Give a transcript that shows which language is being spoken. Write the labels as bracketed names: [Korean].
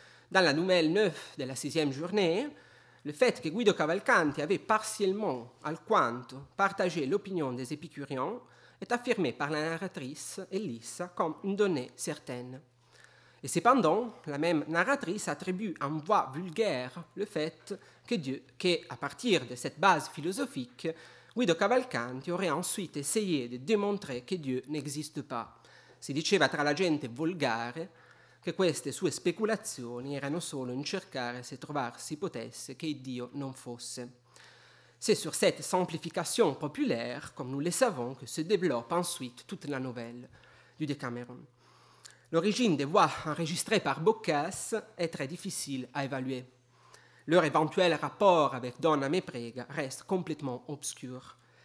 [French] Dans la nouvelle 9 de la sixième journée, le fait que Guido Cavalcanti avait partiellement, alquanto, partagé l'opinion des épicuriens est affirmé par la narratrice Elissa comme une donnée certaine. Et cependant, la même narratrice attribue en voix vulgaire le fait que Dieu, que, à partir de cette base philosophique, Guido Cavalcanti aurait ensuite essayé de démontrer che Dieu n'existe pas. [Italian] Si diceva tra la gente volgare che queste sue speculazioni erano solo in cercare se trovarsi potesse che Dio non fosse. [French] C'est sur cette simplification populaire, comme nous le savons, que se développe ensuite toute la nouvelle du Decameron. L'origine des voix enregistrées par Boccace est très difficile à évaluer. Leur éventuel rapport avec Donna Me Prega reste complètement obscur.